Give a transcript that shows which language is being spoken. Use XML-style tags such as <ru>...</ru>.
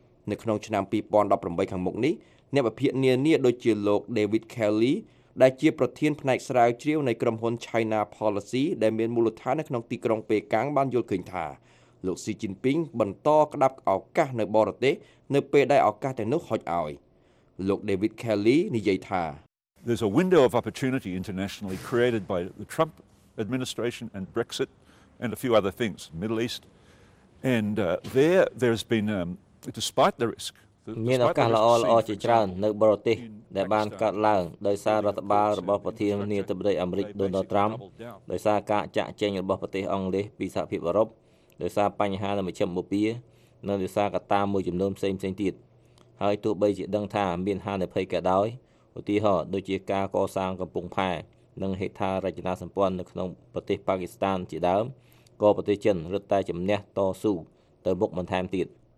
<km>នៅក្នុងឆ្នាំ2018ខាងមុខនេះអ្នកវិភាគនានាដូចជាលោក David Kelly ដែលជាប្រធានផ្នែកស្រាវជ្រាវនៃក្រុមហ៊ុន China Policy ដែលមានមូលដ្ឋាននៅក្នុងទីក្រុងប៉េកាំងបានយល់ឃើញថាលោក Xi Jinping បន្តក្តាប់ឱកាសនៅបរទេសនៅពេលដែលឱកាសទាំងនោះហុចឲ្យលោក David Kelly និយាយថា</km> <en>There's a window of opportunity internationally created by the Trump administration and Brexit and a few other things, Middle East. And there's been despite the risk</en> <km>មានឱកាសល្អល្អជាច្រើននៅបរទេសដែលបានកើតឡើងដោយសាររដ្ឋបាលរបស់ប្រធានាធិបតីអាមេរិកដូណាល់ត្រាំដោយសារការចាក់ចែងរបស់ប្រទេសអង់គ្លេសពីសហភាពអឺរ៉ុបដោយសារបញ្ហានៅមជ្ឈមណ្ឌលពានៅដោយសារកត្តាមួយចំនួនផ្សេងផ្សេងទៀតហើយទោះបីជាដឹងថាមានហានិភ័យក៏ដោយឧទាហរណ៍ដូចជាការកសាងកំពង់ផែនិងហេដ្ឋារចនាសម្ព័ន្ធនៅក្នុងប្រទេសប៉ាគីស្ថានជាដើមក៏ប្រទេសចិនរឹតតែជំនះតស៊ូទៅមុខបន្ថែមទៀត</km>